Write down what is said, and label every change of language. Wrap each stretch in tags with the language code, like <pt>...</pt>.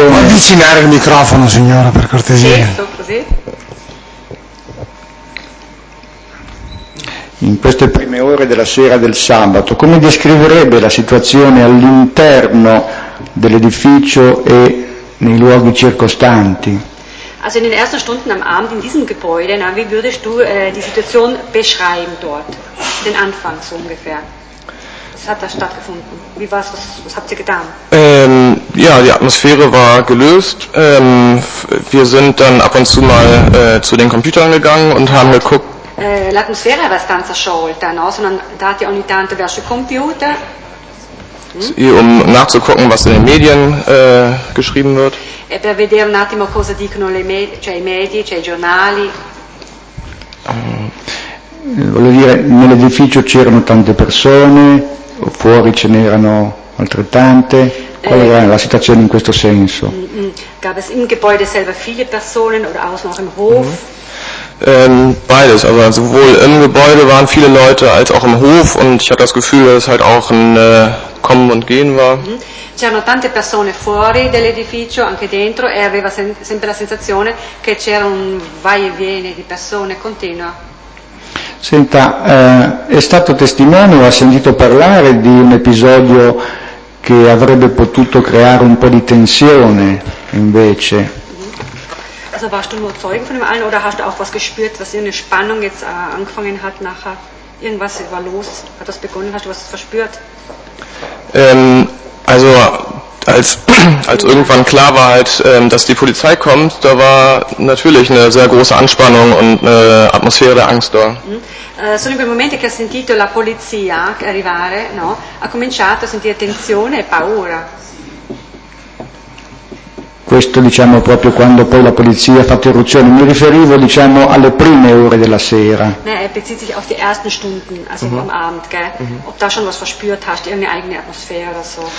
<it>Signora, avvicinare il microfono, signora, per cortesia. Certo, così. In queste prime ore della sera del sabato, come descriverebbe la situazione all'interno dell'edificio e nei luoghi circostanti?</it> <de>Also in den ersten Stunden am Abend in diesem Gebäude, na, wie würdest du die Situation beschreiben dort? Den Anfang so ungefähr. Was hat da stattgefunden? Wie war es? Was habt ihr getan? Ja, die Atmosphäre war gelöst. Wir sind dann ab und zu mal zu den Computern gegangen und haben geguckt.</de> <it>L'atmosfera era abbastanza sciolta, no? Sono andati ogni tanto verso il computer.</it> <de>Um nachzugucken, was in den Medien geschrieben wird.</de> <it>E per vedere un attimo cosa dicono le medie, cioè i media, cioè i giornali. Voglio dire, nell'edificio c'erano tante persone, fuori ce n'erano altrettante. Qual era la situazione in questo senso?</it> <de>Gab es im Gebäude selber viele Personen oder außen auch im Hof? Beides, also sowohl im Gebäude waren viele Leute als auch im Hof und ich hatte das Gefühl, dass es halt auch ein Kommen und Gehen war.</de> <it>C'erano tante persone fuori dell'edificio, anche dentro, e aveva sempre la sensazione che c'era un vai e viene di persone continua. Senta, è stato testimone o ha sentito parlare di un episodio che avrebbe potuto creare un po' di tensione invece?</it> <de>Also warst du nur Zeugen von dem einen oder hast du auch was gespürt, was irgendeine Spannung jetzt angefangen hat nachher? Irgendwas war los? Hat das begonnen? Hast du was verspürt? Also als irgendwann klar war halt, dass die Polizei kommt, da war natürlich eine sehr große Anspannung und eine Atmosphäre der Angst da.</de> <it>Sono in quei momenti che ha sentito la polizia arrivare, no? Ha cominciato a sentire tensione e paura. Questo diciamo proprio quando poi la polizia ha fatto irruzione, mi riferivo diciamo alle prime ore della sera.</it> <de>Ne, bezieht sich auf die ersten Stunden, also am Abend, gell? Mm-hmm. Ob da schon was verspürt hast, irgendeine eigene Atmosphäre oder so?</de>